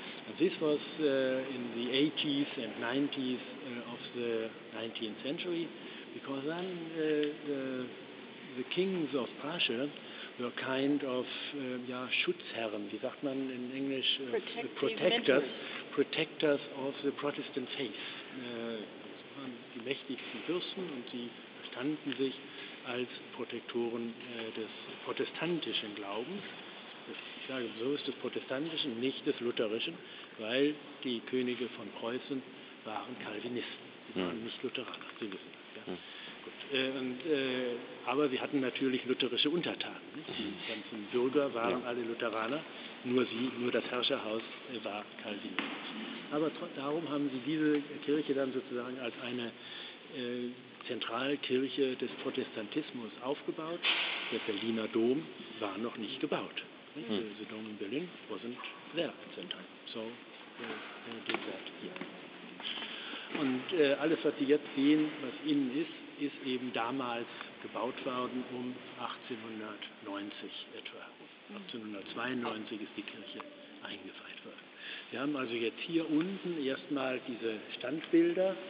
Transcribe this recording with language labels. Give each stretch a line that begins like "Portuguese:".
English: And this was in the 80s and 90s of the 19th century, because then the kings of Prussia were kind of
German: Schutzherren, wie sagt man in
English: English, protectors of the Protestant faith.
German: Sie waren die mächtigsten Fürsten und sie kannten sich als Protektoren des protestantischen Glaubens. Ich sage so ist des protestantischen, nicht des lutherischen, weil die Könige von Preußen waren Calvinisten. Sie waren nicht Lutheraner, Sie wissen das. Ja? Gut. Aber sie hatten natürlich lutherische Untertanen. Nicht? Die ganzen Bürger waren alle Lutheraner, nur das Herrscherhaus war Calvinistisch. Aber darum haben sie diese Kirche dann sozusagen als eine Zentralkirche des Protestantismus aufgebaut. Der Berliner Dom war noch nicht gebaut.
English: The Dome in Berlin wasn't there at that time. So they did that here.
German: Und alles, was Sie jetzt sehen, was innen ist, ist eben damals gebaut worden, um 1890 etwa. 1892 ist die Kirche eingeweiht worden. Wir haben also jetzt hier unten erstmal diese Standbilder.